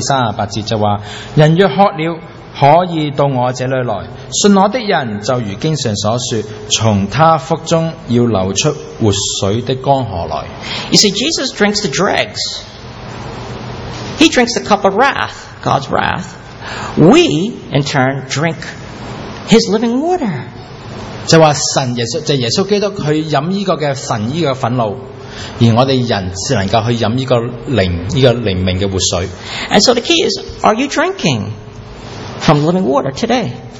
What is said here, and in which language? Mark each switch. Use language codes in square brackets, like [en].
[zh] 我说为什么要去喝这个水呢？就是在约翰福音第七章第37至38节就说，人若喝了 可以到我这里来，信我的人就如经上所说，从他腹中要流出活水的江河来。 [en] You see, Jesus drinks the dregs. He drinks the cup of wrath, God's wrath. We, in turn, drink his living water. [zh] 就说神耶稣基督，他喝这个神这个愤怒。而我们人只能够去喝这个灵明的活水。 [en] And so the key is, are you drinking from the living water today?